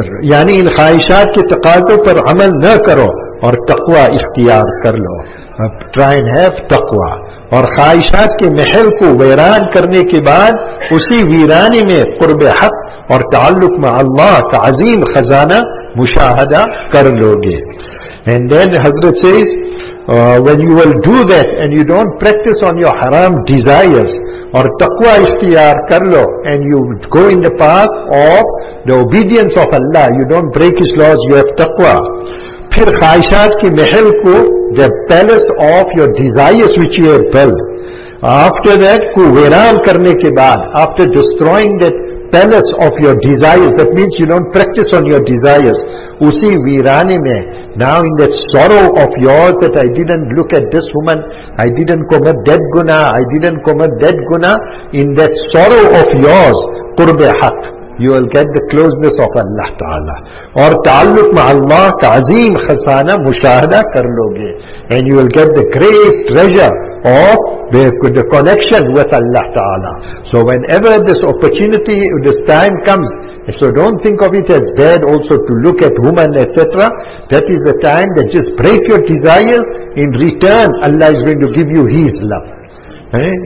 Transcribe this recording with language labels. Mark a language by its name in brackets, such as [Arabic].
[Urdu] یعنی ان خواہشات کے تقاضوں پر عمل نہ کرو اور تقوی اختیار کر لو. [English] Try and have تقوی. [Urdu] اور خواہشات کے محل کو ویران کرنے کے بعد اسی ویرانی میں قرب حق اور تعلق مع اللہ کا عظیم خزانہ مشاہدہ کر لو گے. [English] And then حضرت says, when you will do that and you don't practice on your haram desires, [Urdu] اور تقوی اختیار کر لو, [English] and you go in the path of the obedience of Allah, you don't break His laws, you have taqwa. [Urdu] پھر خواہشات کی محل کو, [English] the palace of your desires which you have built, after that [Urdu] کو ویران کرنے کے بعد, [English] after destroying that palace of your desires, that means you don't practice on your desires, [Urdu] اسی ویرانے میں, [English] now in that sorrow of yours that I didn't look at this woman, I didn't commit that guna, I didn't commit that guna, in that sorrow of yours, قرب حق, you will get the closeness of Allah Ta'ala. [Urdu] اور تعلق مع اللہ کا عظیم خزانہ مشاہدہ کر لوگے. [English] And you will get the great treasure of the connection with Allah Ta'ala. So whenever this opportunity, this time comes, so don't think of it as bad also to look at woman, etc. That is the time that just break your desires. In return, Allah is going to give you His love. Eh?